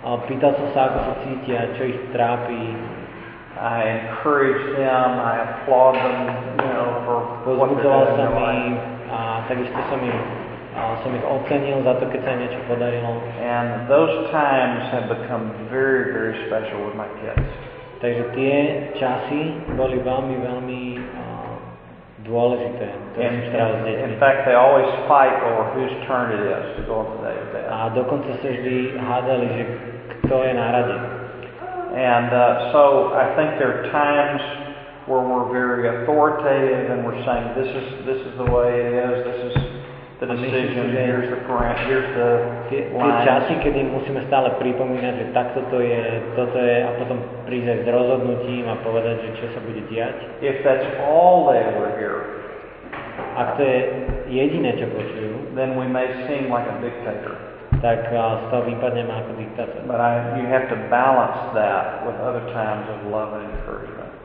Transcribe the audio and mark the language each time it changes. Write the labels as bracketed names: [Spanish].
[Slovak] Pýtal som sa, ako sa cítia, čo ich trápi. [English] I encouraged them, I applaud them, you know, for what they're doing. [Slovak] Pozbudzoval som ich a takisto som ich ocenil za to, keď sa niečo podarilo. [English] And those times have become very, very special with my kids. [Slovak] Takže tie časy boli veľmi, veľmi dôležité. [English] In fact, they always fight over whose turn it is to go on the day of death. [Slovak] A dokonca sa vždy hádali, že kto je na rade. [English] And so I think there are times where we're very authoritative and we're saying this is the way it is, this is the decision, here's the parent, here's the line. [Slovak] Tie časy, kedy musíme stále pripomínať, že takto to je, toto je, a potom prísť aj s rozhodnutím a povedať, že čo sa bude diať. [English] If that's all they ever hear, [Slovak] ak to je jediné, čo počujú, [English] then we may seem like a dictator. [Slovak] Tak z toho vypadneme ako diktátor. [English] But you have to balance that with other times of love and encouragement.